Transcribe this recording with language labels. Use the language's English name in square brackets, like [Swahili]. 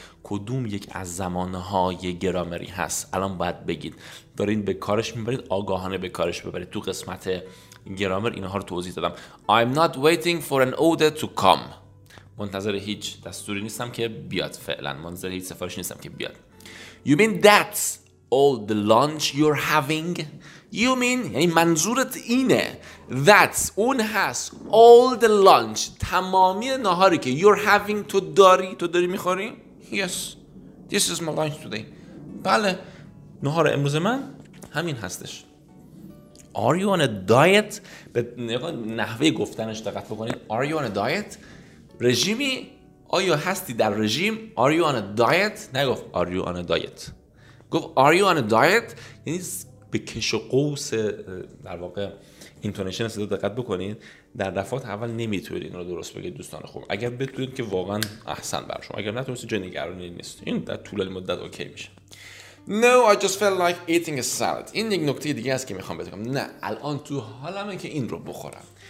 [Persian] کدوم یک از زمانهای گرامری هست؟ الان باید بگید. دارین به کارش میبرید، آگاهانه به کارش ببرید. تو قسمت گرامر اینها رو توضیح دادم. [English] I'm not waiting for an order to come. [Persian] منتظر هیچ دستوری نیستم که بیاد فعلا. منتظر هیچ سفارش نیستم که بیاد. [English] You mean that's all the lunch you're having? You mean [Persian] یعنی منظورت اینه. [English] That's [Persian] اون هست. [English] All the lunch [Persian] تمامی نهاری که [English] you're having [Persian] تو داری میخوری؟ [English] Yes, this is my lunch today. [Persian] بله، نهار امروز من همین هستش. [English] Are you on a diet؟ [Persian] به نحوه گفتنش دقت بکنید. [English] Are you on a diet؟ [Persian] رژیمی؟ آیا هستی در رژیم؟ Are you on a diet؟ نگفت Are you on a diet؟ گفت Are you on a diet؟ یعنی به کش و قوس در واقع اینتونیشن صدا دقت بکنید. در دفعات اول نمیتونید این رو درست بگید دوستان خوب. اگر بتونید که واقعا احسن بر شما، اگر نتونید جای نگرانی نیست، این در طول مدت اوکی میشه. [English] No, I just felt like eating a salad. [Persian] این یک نکته دیگه است که میخوام بگم. نه، الان تو حالمه که این رو بخورم.